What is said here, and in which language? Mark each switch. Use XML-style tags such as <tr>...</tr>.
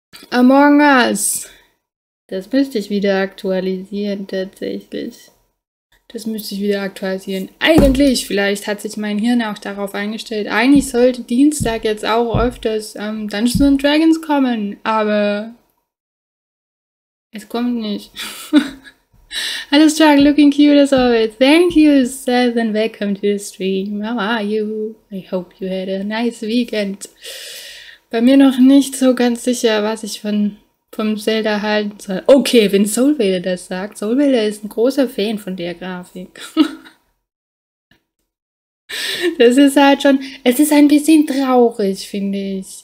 <de>Among Us. Das müsste ich wieder aktualisieren, tatsächlich. Das müsste ich wieder aktualisieren. Eigentlich, vielleicht hat sich mein Hirn auch darauf eingestellt. Eigentlich sollte Dienstag jetzt auch öfters Dungeons & Dragons kommen, aber es kommt nicht.</de> <en>Hello, Struggle, looking cute as always. Thank you, Seth, and welcome to the stream. How are you? I hope you had a nice weekend.</en> <de>Bei mir noch nicht so ganz sicher, was ich von vom Zelda halten soll. Okay, wenn Soulvader das sagt. Soulvader ist ein großer Fan von der Grafik. Das ist halt schon, es ist ein bisschen traurig, finde ich.</de>